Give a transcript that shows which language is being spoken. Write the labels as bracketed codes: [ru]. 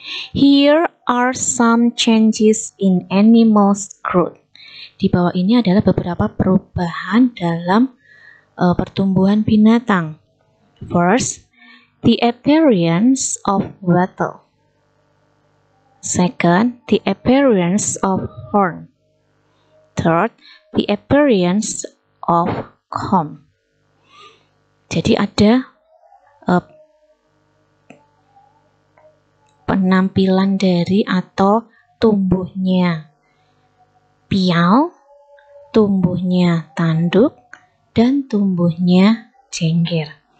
[en] Here are some changes in animal's growth. [id] Di bawah ini adalah beberapa perubahan dalam pertumbuhan binatang. [en] First, the appearance of wattle. Second, the appearance of horn. Third, the appearance of comb. [id] Jadi ada penampilan dari atau tumbuhnya piau, tumbuhnya tanduk, dan tumbuhnya cengkir.